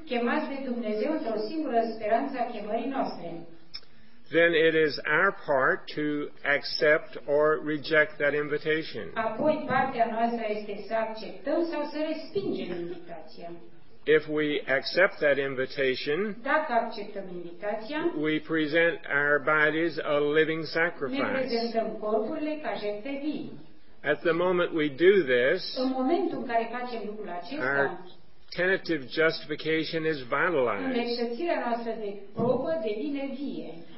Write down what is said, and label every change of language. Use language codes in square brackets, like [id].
[ro] Chemați de Dumnezeu într-o singură speranță a chemării noastre. [en] Then it is our part to accept or reject that invitation. [ro] Apoi partea noastră este să acceptăm sau să respingem invitația. [en] If we accept that invitation, [ro] dacă acceptăm invitația, [en] we present our bodies a living sacrifice. [ro] Ne prezentăm corpurile ca jertfe vii. [en] At the moment we do this, [ro] în momentul în care facem lucrul acesta, [en] our tentative justification is vitalized. [ro] Neșterirea noastră de probă devine vie.